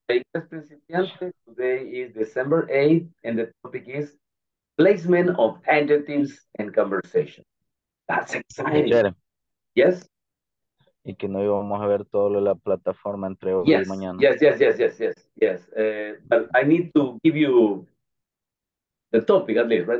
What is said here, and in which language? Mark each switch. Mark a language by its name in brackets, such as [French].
[English] Today is December 8th, and the topic is placement of adjectives in conversation. That's exciting. Teacher, Yes? [Spanish] y que no íbamos a ver todo lo de la plataforma entre hoy y [English] Yes, [Spanish] mañana. [English] yes, yes, yes, yes, yes, yes. But I need to give you the topic at least, right?